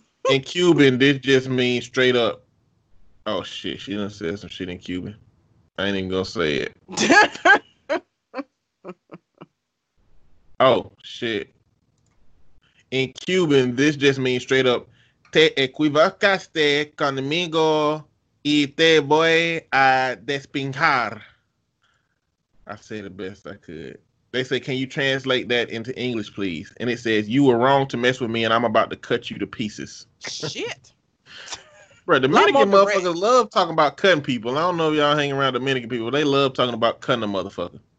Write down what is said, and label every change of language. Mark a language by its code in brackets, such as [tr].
[en] In Cuban, this just means straight up. Oh shit, she done said some shit in Cuban. I ain't even gonna say it. Oh shit. In Cuban, this just means straight up. [es] Te equivocaste conmigo y te voy a despingar. [en] I said the best I could. They say, can you translate that into English, please? And it says, you were wrong to mess with me, and I'm about to cut you to pieces. Shit. Bro, Dominican motherfuckers love talking about cutting people. I don't know if y'all hang around Dominican people. They love talking about cutting a motherfucker.